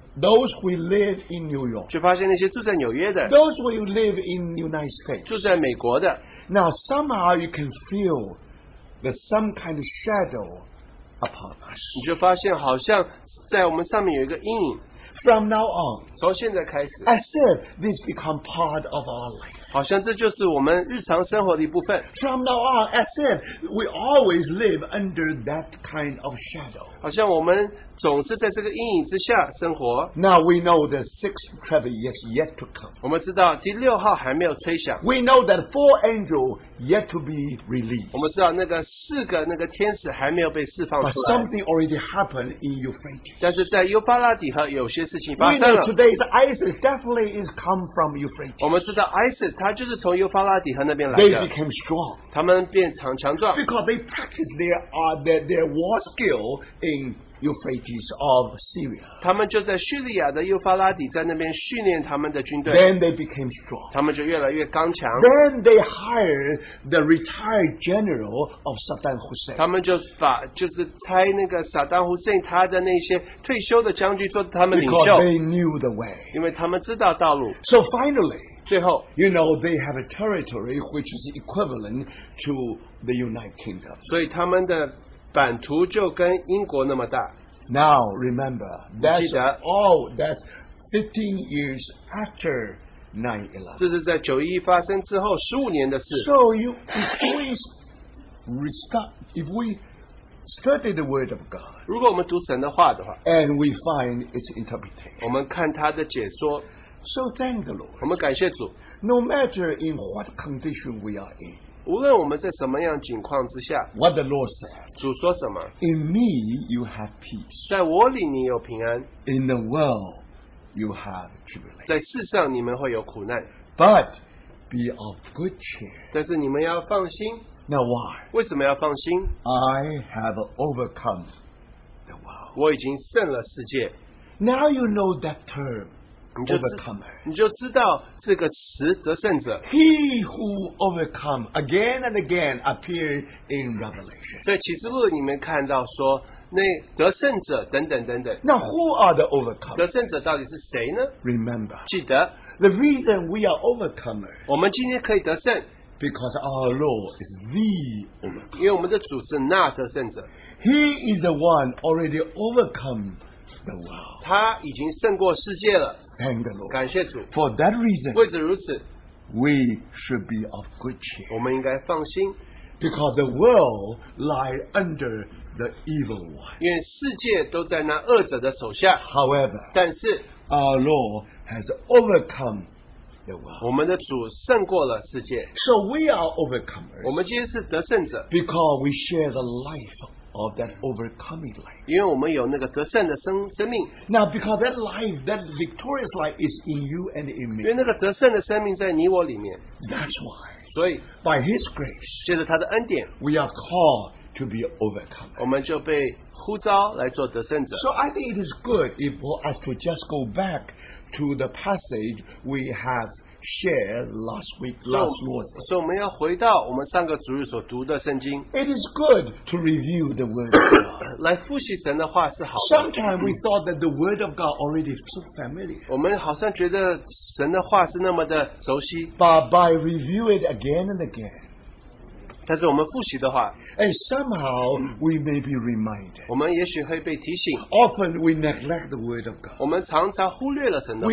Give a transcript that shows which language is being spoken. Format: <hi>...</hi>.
<en>Those who live in New York,</en> <zh>就发现那些住在纽约的,</zh> <en>those who live in the United States,</en> <zh>住在美国的,</zh> <en>now somehow you can feel there's some kind of shadow upon us.</en> <zh>你就发现好像在我们上面有一个阴影。</zh> <en>From now on,</en> <zh>从现在开始,</zh> <en>as if this become part of our life.</en> <zh>好像这就是我们日常生活的一部分。</zh> <en>From now on, as if we always live under that kind of shadow.</en> <zh>好像我们总是在这个阴影之下生活。</zh> <en>Now we know the sixth trumpet is yet to come.</en> <zh>我们知道第六号还没有吹响。</zh> <en>We know that four angels yet to be released.</en> <zh>我们知道那个四个那个天使还没有被释放出来。</zh> <en>But something already happened in Euphrates.</en> <zh>但是在优巴拉底河有些事情发生了。</zh> <en>We know today's ISIS definitely is come from Euphrates.</en> <zh>我们知道ISIS它就是从优巴拉底河那边来的。</zh> <en>They became strong.</en> <zh>他们变强壮。</zh> <en>Because they practice their war skill in Euphrates of Syria.</en> <zh>他们就在叙利亚的幼发拉底在那边训练他们的军队。</zh> <en>Then they became strong.</en> <zh>他们就越来越刚强。</zh> <en>Then they hired the retired general of Saddam Hussein.</en> <zh>他们就是差那个萨达胡塞他的那些退休的将军做他们领袖。</zh> <en>Because they knew the way.</en> <zh>因为他们知道道路。</zh> <en>So finally,</en> <zh>最后,</zh> <en>you know, they have a territory which is equivalent to the United Kingdom.</en> <zh>所以他们的 版图就跟英国那么大。</zh> <en>Now remember, that's 15 years after 9/11.</en> <zh>这是在911发生之后15年的事。</zh> <en>So if we study the word of God,</en> <zh>如果我们读神的话的话,</zh> <en>and we find its interpretation,</en> <zh>我们看它的解说,</zh> <en>so thank the Lord,</en> <zh>我们感谢主,</zh> <en>no matter in what condition we are in,</en> <zh>无论我们在什么样情况之下,</zh> <en>what the Lord said,</en> <zh>主说什么,</zh> <en>in me you have peace,</en> <zh>在我里你有平安,</zh> <en>in the world you have tribulation,</en> <zh>在世上你们会有苦难,</zh> <en>but be of good cheer,</en> <zh>但是你们要放心,</zh> <en>now why?</en> <zh>为什么要放心?</zh> <en>I have overcome the world,</en> <zh>我已经胜了世界,</zh> <en>now you know that term,</en> <zh>你就知道这个词得胜者。</zh> <en>He who overcome again and again appeared in Revelation.</en> <zh>在启示录里面看到说，那得胜者等等等等。</zh> <en>Now who are the overcomers?</en> <zh>得胜者到底是谁呢？</zh> <en>Remember.</en> <zh>记得。</zh> <en>The reason we are overcomers,</en> <zh>我们今天可以得胜,</zh> <en>because our Lord is the overcomer.</en> <zh>因为我们的主是那得胜者。</zh> <en>He is the one already overcome the world.</en> <zh>他已经胜过世界了。</zh> <en>Thank the Lord.</en> <zh>感谢主,</zh> <en>for that reason,</en> <zh>为此如此,</zh> <en>we should be of good cheer.</en> <zh>我们应该放心,</zh> <en>because the world lies under the evil one.</en> <zh>因为世界都在那恶者的手下,</zh> <en>however,</en> <zh>但是,</zh> <en>our Lord has overcome the world.</en> <zh>我们的主胜过了世界,</zh> <en>so we are overcomers.</en> <zh>我们今天是得胜者,</zh> <en>because we share the life of that overcoming life.</en> <zh>因为我们有那个得胜的生命。</zh> <en>Now because that life, that victorious life is in you and in me.</en> <zh>因为那个得胜的生命在你我里面。</zh> <en>That's why,</en> <zh>所以,</zh> <en>by His grace,</en> <zh>借着他的恩典,</zh> <en>we are called to be overcome.</en> <zh>我们就被呼召来做得胜者。</zh> <en>So I think it is good if for us to just go back to the passage we have share last week, last Lord's Day.</en> <zh>所以我们要回到我们上个主日所读的圣经。</zh> <en>It is good to review the Word of God.</en> <zh>来复习神的话是好的。</zh> <en>Sometimes we thought that the Word of God already so familiar.</en> <zh>我们好像觉得神的话是那么的熟悉。</zh> <en>But by review it again and again,</en> <zh>但是我们复习的话,</zh> <en>and somehow we may be reminded.</en> <zh>我们也许会被提醒,</zh> <en>often we neglect the word of God.</en> <zh>我们常常忽略了神的话,</zh>